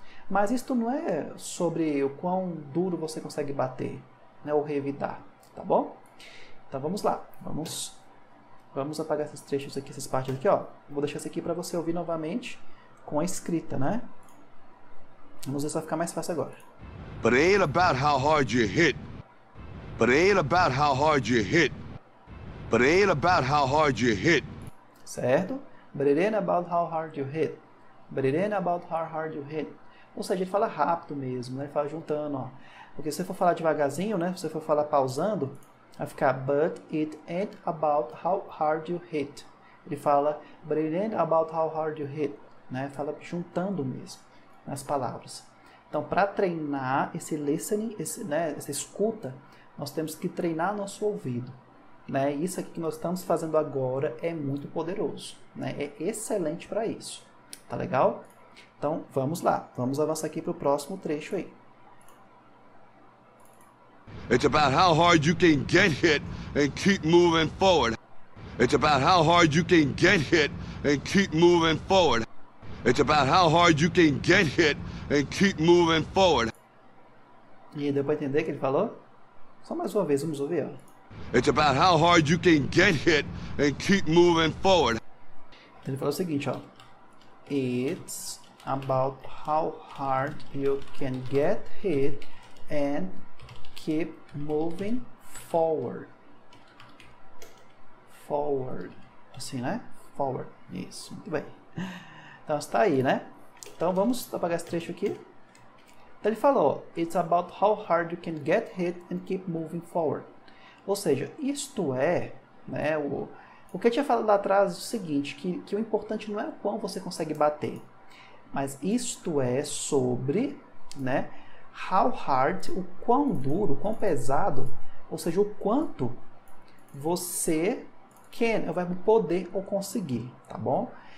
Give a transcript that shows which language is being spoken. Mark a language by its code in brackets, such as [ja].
[pt] Mas isto não é sobre o quão duro você consegue bater, né? Ou revidar, tá bom? Então, vamos lá. Vamos apagar esses trechos aqui, essas partes aqui, ó. Vou deixar isso aqui para você ouvir novamente com a escrita, né? Vamos ver se vai ficar mais fácil agora. [en] But it ain't about how hard you hit. But it ain't about how hard you hit. But it ain't about how hard you hit. [pt] Certo? [en] But it ain't about how hard you hit. But it ain't about how hard you hit. [pt] Ou seja, ele fala rápido mesmo, né? Ele fala juntando, ó. Porque se você for falar devagarzinho, né? Se você for falar pausando, vai ficar [en] But it ain't about how hard you hit. [pt] Ele fala [en] But it ain't about how hard you hit. Né? [pt] Fala juntando mesmo nas palavras. Então, para treinar esse listening, né, essa escuta, nós temos que treinar nosso ouvido, né? Isso aqui que nós estamos fazendo agora é muito poderoso, né? É excelente para isso. Tá legal? Então, vamos lá. Vamos avançar aqui para o próximo trecho aí. [en] It's about how hard you can get hit and keep moving forward. It's about how hard you can get hit and keep moving forward. It's about how hard you can get hit and keep moving forward. [pt] E deu para entender o que ele falou? Só mais uma vez, vamos ouvir, ó. [en] It's about how hard you can get hit and keep moving forward. [pt] Ele falou o seguinte, ó. [en] It's about how hard you can get hit and keep moving forward. [pt] Forward. Assim, né? Forward. Isso, muito bem. Então está aí, né? Então vamos apagar esse trecho aqui. Então ele falou: [en] It's about how hard you can get hit and keep moving forward. [pt] Ou seja, isto é, né? O que eu tinha falado lá atrás é o seguinte: que o importante não é o quão você consegue bater, mas isto é sobre, né? How hard, o quão duro, o quão pesado, ou seja, o quanto você can, é o verbo poder ou conseguir, tá bom?